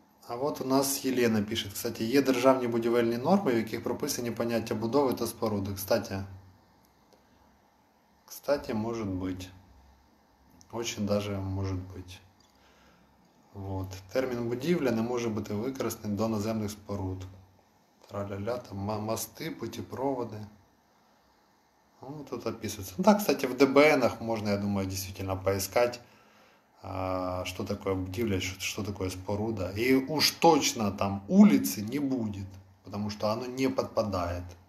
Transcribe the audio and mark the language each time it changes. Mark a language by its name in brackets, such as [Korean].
[Russian] А вот у нас Елена пишет, кстати, [Ukrainian] є державні будівельні норми, в яких прописані поняття будови та споруди. [Russian] Кстати, может быть. Очень даже может быть. [Ukrainian] Термін будівля не може бути використаний до наземних споруд. Тра-ля-ля, там мости, путіпроводи. [Russian] Ну, тут описывается. Да, кстати, в ДБНах можно, я думаю, действительно поискать, что такое будивля, что такое споруда. И уж точно там улицы не будет, потому что оно не подпадает.